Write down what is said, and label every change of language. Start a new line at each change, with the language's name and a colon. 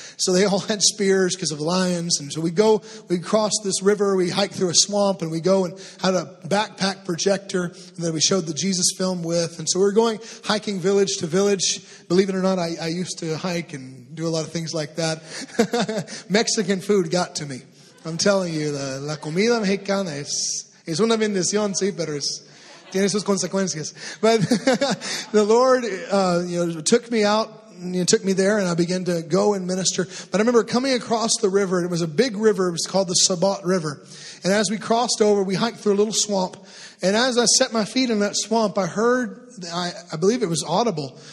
English: So they all had spears because of the lions. And so we go, we cross this river, we hike through a swamp, and we go and had a backpack projector that we showed the Jesus film with. And so we're going hiking village to village. Believe it or not, I used to hike and do a lot of things like that. Mexican food got to me. I'm telling you,
Spanish: la comida mexicana es una bendición, sí, pero es... tiene sus consecuencias.
English: But the Lord, took me out. He took me there and I began to go and minister. But I remember coming across the river. It was a big river. It was called the Sabat River. And as we crossed over, we hiked through a little swamp. And as I set my feet in that swamp, I heard, I believe it was audible.